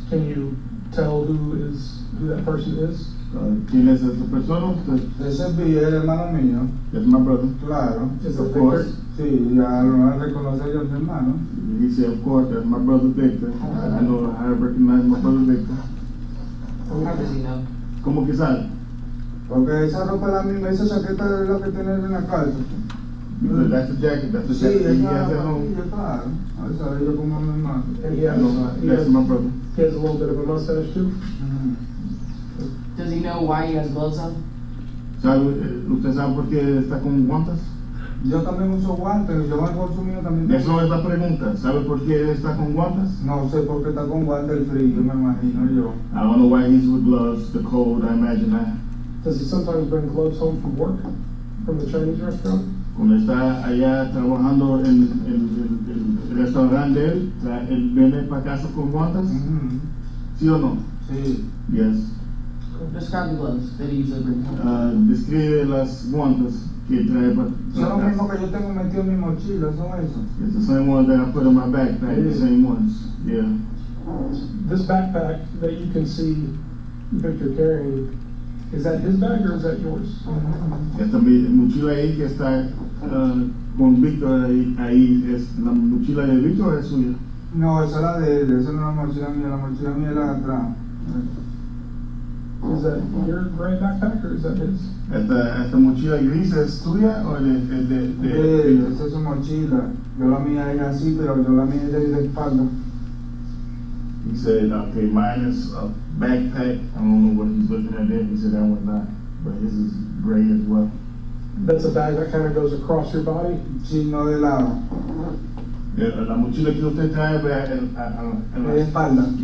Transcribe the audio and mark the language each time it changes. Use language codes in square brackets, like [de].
[en] Can you tell who that person is? [es] ¿Quién es esa persona? Ese es el hermano mío. [en] Es my brother. [es] Claro. [en] Is of course. [es] Sí, ya lo van a reconocer yo, hermano. [en] He said, of course, that's my brother Victor. I know how to recognize my brother Victor. How does he know? [es] ¿Cómo que sabe? Porque esa ropa es la misma, esa chaqueta es la que tiene en la casa. [en] That's a jacket. That's a jacket. [es] Sí, [en] he has that home. Yeah, claro. That's yes, my brother. He has a little bit of a mustache too. Does he know why he has gloves on? [es] ¿Usted sabe por qué está con guantes? Yo también uso guantes. Yo voy por su mío también. Eso es la pregunta. ¿Sabe por qué está con guantes? No sé por qué está con guantes el frío, me imagino yo. [en] I don't know why he's with gloves. The cold, I imagine that. Does he sometimes bring gloves home from work? From the Chinese restaurant? [es] Cuando está allá trabajando en el restaurante de él, él viene para casa con guantes. Mm-hmm. ¿Sí o no? Sí. [en] Yes. Describe the gloves that he uses. [es] Describe las guantes que trae para casa. Son los mismos que yo tengo metido en mi mochila, son esos. [en] It's the same ones that I put in my backpack, the same ones. Yeah. This backpack that you can see Victor carrying, is that his bag or is that yours? [es] Esta mochila ahí que está con Victor ahí, es la mochila de Victor o es suya? No, esa era de él, esa no es la mochila mía era atrás. [en] Is that your gray backpack or is that his? [es] Esta mochila gris es tuya o de él? Esa es su mochila, yo la mía era así, pero yo la mía era de espalda. [en] He said, okay, mine is a backpack. I don't know what he's looking at there. He said that one's not, but his is gray as well. That's a bag that kind of goes across your body? [es] Sí, no de lado. Yeah, la mochila que usted trae de espalda.